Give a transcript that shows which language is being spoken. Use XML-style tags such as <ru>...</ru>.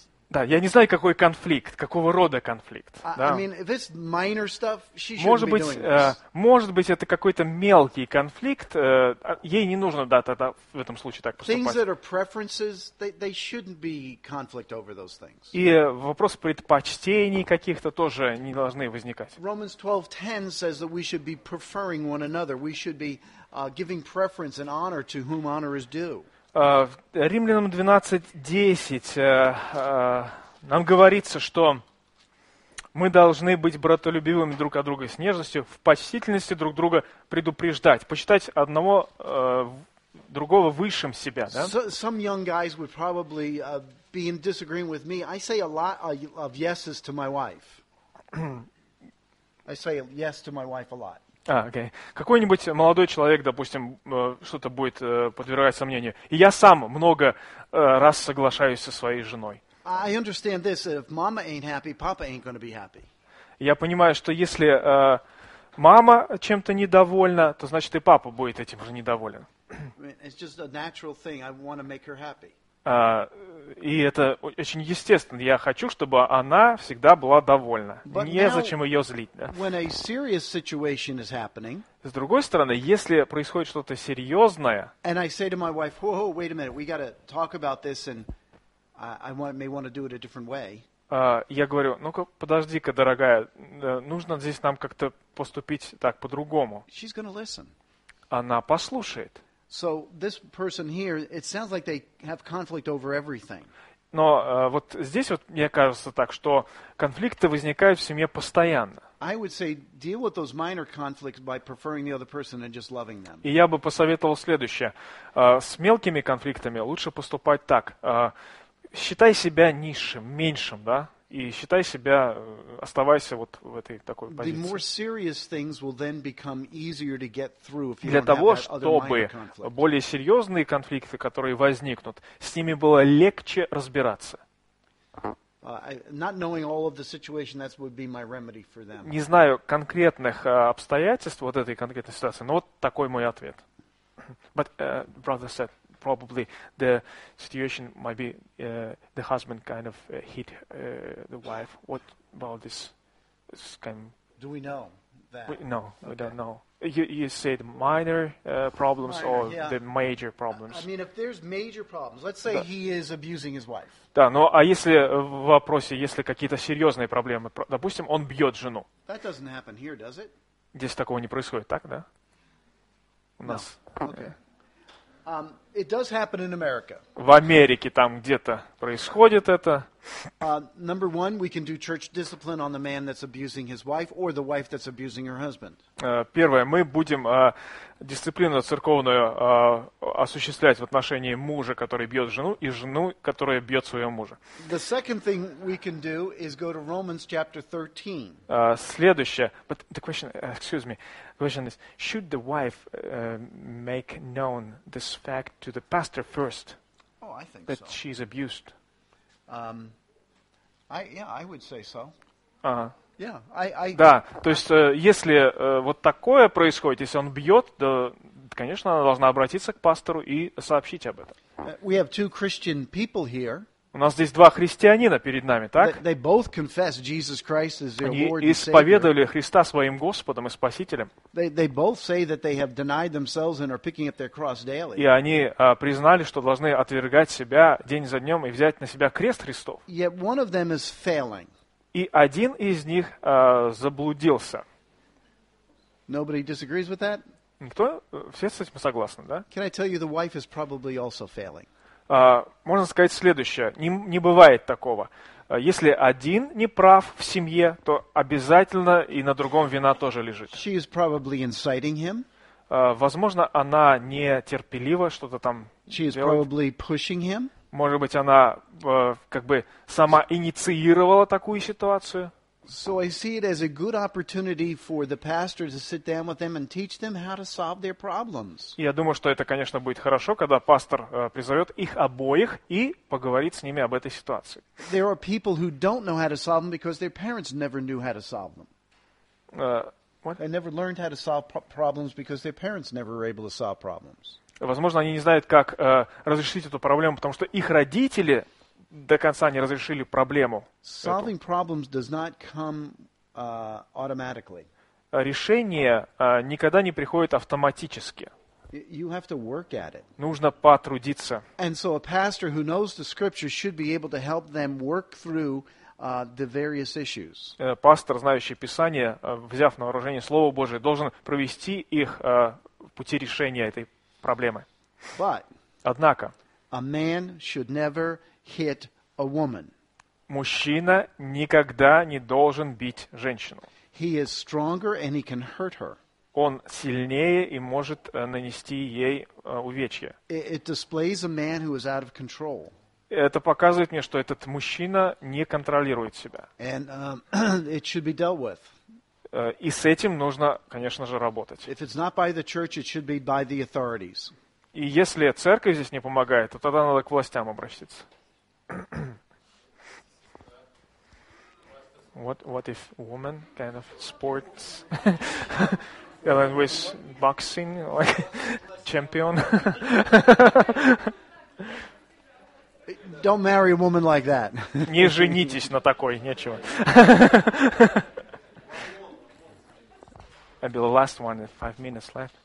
<ru>Да, я не знаю, какой конфликт, какого рода конфликт. Да?</ru> <en>I mean, if it's minor stuff, she</en> <ru>может быть,</ru> <en>be doing this.</en> <ru>Может быть, это какой-то мелкий конфликт. Ей не нужно, да, тогда в этом случае так поступать.</ru> <en>Things that are preferences, they shouldn't be conflict over those things.</en> <ru>И вопрос предпочтений каких-то тоже не должны возникать.</ru> <en>Romans 12:10 says that we should be preferring one another. We should be giving preference and honor to whom honor is due.</en> <ru>Римлянам 12:10 нам говорится, что мы должны быть братолюбивыми друг от друга с нежностью, в почтительности друг друга предупреждать, почитать одного другого высшим себя. Да?</ru> <en>Some young guys would probably be in disagreement with me. I say a lot of yeses to my wife. I say yes to my wife a lot.</en> <ru>Окей. Какой-нибудь молодой человек, допустим, что-то будет подвергать сомнению. И я сам много раз соглашаюсь со своей женой.</ru> <en>I understand this, if mama ain't happy, papa ain't gonna be happy.</en> <ru>Я понимаю, что если мама чем-то недовольна, то значит и папа будет этим же недоволен.</ru> <en>It's just a natural thing. I wanna make her happy.</en> <ru>И это очень естественно. Я хочу, чтобы она всегда была довольна. Незачем ее злить. Да?</ru> <en>When a serious situation is happening,</en> <ru>с другой стороны, если происходит что-то серьезное,</ru> <en>and I say to my wife, whoa, wait a minute, we gotta talk about this, and may want to do it a different way.</en> <ru>Я говорю, ну-ка, подожди-ка, дорогая, нужно здесь нам как-то поступить так по-другому.</ru> <en>She's gonna listen.</en> <ru>Она послушает.</ru> <en>So this person here, it sounds like they have conflict over everything.</en> <ru>Но вот здесь вот мне кажется так, что конфликты возникают в семье постоянно. I would say deal with those minor conflicts by preferring the other person and just loving them. И я бы посоветовал следующее: с мелкими конфликтами лучше поступать так: считай себя низшим, меньшим, да? и считай себя, оставайся вот в этой такой позиции.</ru> <en>The more serious things will then become easier to get through if you</en> <ru>для того, чтобы более серьезные конфликты, которые возникнут, с ними было легче разбираться.</ru> <en>Not knowing all of the situation, that would be my remedy for them.</en> <ru>Не знаю конкретных обстоятельств вот этой конкретной ситуации, но вот такой мой ответ.</ru> <en>But brother said probably the situation might be the husband kind of hit the wife. What about this? This kind of... Do we know that? We don't know. You said minor problems or the major problems. I mean, if there's major problems, let's say he is abusing his wife.</en> <ru>Да, но а если в вопросе, если какие-то серьезные проблемы, допустим, он бьет жену.</ru> <en>That doesn't happen here, does it?</en> <ru>Здесь такого не происходит, так, да? У нас.</ru> <en>Okay. It does happen in America.</en> <ru>В Америке там где-то происходит это.</ru> <en>Number one, we can do church discipline on the man that's abusing his wife or the wife that's abusing her husband.</en> <ru>Первое, мы будем дисциплину церковную осуществлять в отношении мужа, который бьет жену, и жену, которая бьет своего мужа.</ru> <en>The second thing we can do is go to Romans chapter 13.</en> <ru>Следующее,</ru> <en>but the question, excuse me, the question is, should the wife make known this fact to the pastor first? Oh, I think that so. That she's abused. I would say so.</en> <ru>Да, то есть если вот такое происходит, если он бьет, то, конечно, она должна обратиться к пастору и сообщить об этом.</ru> <en>We have two Christian people here.</en> <ru>У нас здесь два христианина перед нами, так?</ru> <en>They both confess Jesus Christ as their Lord and Savior.</en> <ru>Они исповедовали Христа своим Господом и Спасителем.</ru> <en>They both say that they have denied themselves and are picking up their cross daily.</en> <ru>И они признали, что должны отвергать себя день за днем и взять на себя крест Христов.</ru> <en>Yet one of them is failing.</en> <ru>И один из них заблудился.</ru> <en>Nobody disagrees with that?</en> <ru>Никто? Все с этим согласны, да?</ru> <en>Can I tell you the wife is probably also failing?</en> <ru>Можно сказать следующее. Не бывает такого. Если один не прав в семье, то обязательно и на другом вина тоже лежит.</ru> <en>She is probably inciting him.</en> <ru>Возможно, она нетерпелива, что-то там</ru> <en>She</en> <ru>делает.</ru> <en>Is probably pushing him.</en> <ru>Может быть, она как бы сама инициировала такую ситуацию.</ru> <en>So I see it as a good opportunity for the pastor to sit down with them and teach them how to solve their problems.</en> <ru>Я думаю, что это, конечно, будет хорошо, когда пастор призовет их обоих и поговорит с ними об этой ситуации.</ru> <en>There are people who don't know how to solve them because their parents never knew how to solve them. What? They never learned how to solve problems because their parents never were able to solve problems.</en> <ru>Возможно, они не знают, как разрешить эту проблему, потому что их родители до конца не разрешили проблему.</ru> <en>Solving problems does not come automatically.</en> <ru>Решение никогда не приходит автоматически.</ru> <en>You have to work at it.</en> <ru>Нужно потрудиться.</ru> <en>And so a pastor who knows the scriptures should be able to help them work through the various issues.</en> <ru>Пастор, знающий Писание, взяв на вооружение Слово Божие, должен провести их в пути решения этой проблемы.</ru> <en>But</en> <ru>однако,</ru> <en>a man should never hit a woman.</en> <ru>Мужчина никогда не должен бить женщину.</ru> <en>He is stronger and he can hurt her.</en> <ru>Он сильнее и может нанести ей увечья.</ru> <en>It displays a man who is out of control.</en> <ru>Это показывает мне, что этот мужчина не контролирует себя.</ru> <en>And it should be dealt with.</en> <ru>И с этим нужно, конечно же, работать.</ru> <en>If it's not by the church, it should be by the authorities.</en> <ru>И если церковь здесь не помогает, то тогда надо к властям обратиться.</ru> <en>What if woman kind of sports and with boxing like champion? Don't marry a woman like that.</en> <ru>Не женитесь на такой, нечего.</ru> <en>I'll be the last one with 5 minutes left.</en>